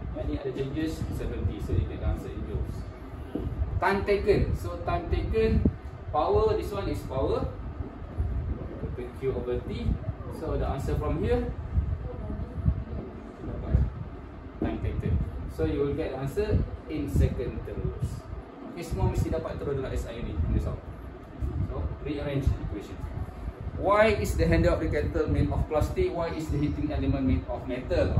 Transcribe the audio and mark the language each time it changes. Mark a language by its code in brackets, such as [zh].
[ms] Yang ni ada [en] changes 70. So you can answer in joules. Time taken. So time taken, power, this one is power, Q over T. So the answer from here, time taken. So you will get answer in second [ms] terus. Okay, semua mesti dapat terus dengan SI ni. [en] So, rearrange the equation. Why is the handle of the kettle made of plastic? Why is the heating element made of metal?